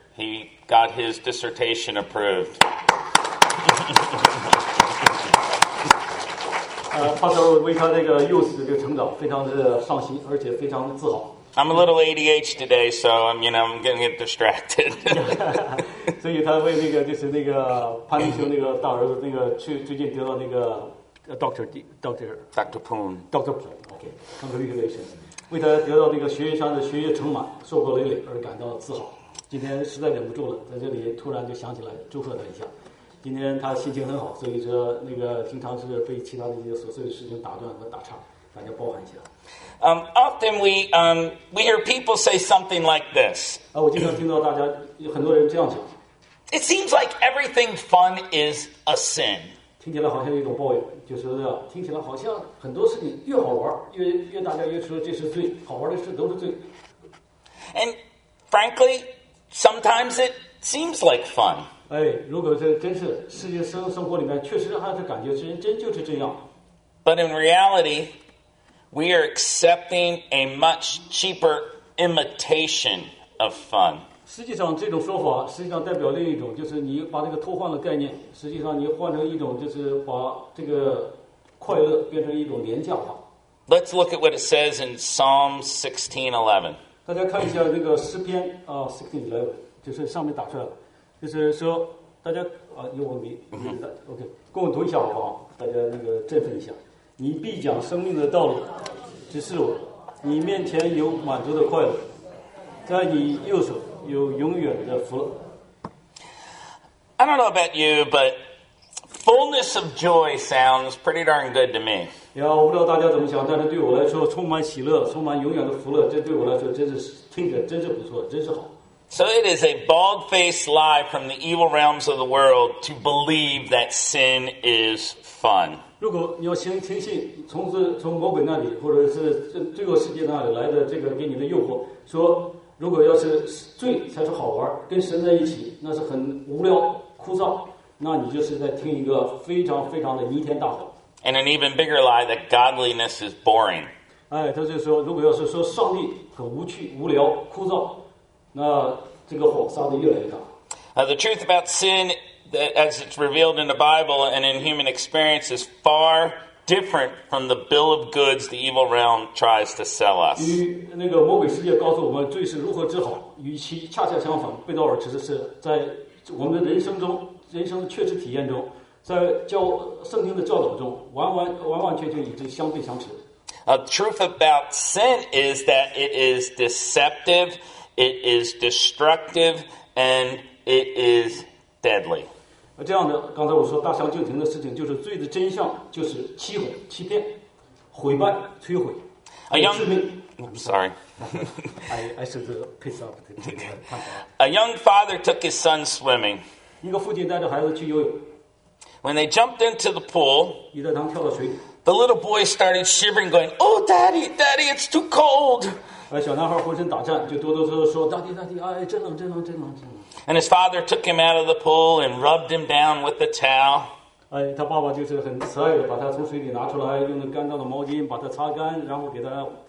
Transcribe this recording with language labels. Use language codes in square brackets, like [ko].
[en] He got his dissertation approved. [zh] Pastor 为他这个幼稚的这个成长非常的上心，而且非常的自豪。 [en] I'm a little ADH today, so I'm, you know, I'm getting distracted. [zh] 所以他为那个就是那个潘立秋那个大儿子那个最近得到那个Dr. Poon. [en] Dr. Poon. Okay. Congratulations. [zh] 为他得到这个学业上的学业成满、硕果累累而感到自豪。今天实在忍不住了，在这里突然就想起来祝贺他一下。今天他心情很好，所以说那个平常是被其他的一些琐碎的事情打断和打岔，大家包涵一下。 [en] Often we hear people say something like this. [zh] 我经常听到大家很多人这样讲。 [en] It seems like everything fun is a sin. [zh] 听起来好像有一种抱怨。就是听起来好像很多事情越好玩越大家越说这是罪好玩的事都是罪 [en] And frankly sometimes it seems like fun [zh] 哎，如果这真是世界生活里面确实还是感觉真就是这样 [en] But in reality we are accepting a much cheaper imitation of fun [zh] 实际上这种说法实际上代表另一种就是你把这个偷换了概念实际上你换成一种就是把这个快乐变成一种廉价化 [en] Let's look at what it says in Psalm 16:11 [zh] 大家看一下那个诗篇啊 16:11 就是上面打出来了就是说大家啊用文笔 OK 跟我读一下好不好大家那个振奋一下你必讲生命的道路指示我你面前有满足的快乐在你右手有永远的福乐 [en] I don't know about you, but fullness of joy sounds pretty darn good to me. [zh] Yeah, 我不知道大家怎么想，但是对我来说，充满喜乐，充满永远的福乐，这对我来说真是听着真是不错，真是好。 [en] So it is a bald-faced lie from the evil realms of the world to believe that sin is fun. [zh] 如果你要听信从魔鬼那里，或者是罪恶世界那里来的这个给你的诱惑，说。如果要是罪才是好玩跟神在一起那是很无聊枯燥那你就是在听一个非常非常的弥天大谎 [en] And an even bigger lie that godliness is boring [zh] 哎他就说如果要是说上帝很无趣无聊枯燥那这个火烧得越来越大。 [en] The truth about sin, as it's revealed in the Bible and in human experience, is far different from the bill of goods the evil realm tries to sell us. [zh] 与那个魔鬼世界告诉我们罪是如何治好，与其恰恰相反，贝多尔其实是在我们的人生中，人生的确实体验中，在教圣经的教导中，完完全全与之相对相持。 [en] The truth about sin is that it is deceptive, it is destructive, and it is deadly. [zh] 这样的，刚才我说大相径庭的事情，就是罪的真相，就是欺哄、欺骗、毁败、摧毁、致命。 [en] I'm sorry. I should piss off. A young father took his son swimming. [zh] 一个父亲带着孩子去游泳。 [en] When they jumped into the pool, [zh] 一对堂跳到水里。 [en] The little boy started shivering, going, "Oh, daddy, daddy, it's too cold." [zh] 小男孩浑身打颤，就哆哆嗦嗦说 ， [en] "Daddy, daddy, [zh] 哎，真冷，真冷，真冷，真冷。 [en] And his father took him out of the pool and rubbed him down with the towel. [zh] 哎，他爸爸就是很慈爱的，把他从水里拿出来，用那干燥的毛巾把他擦干，然后给他。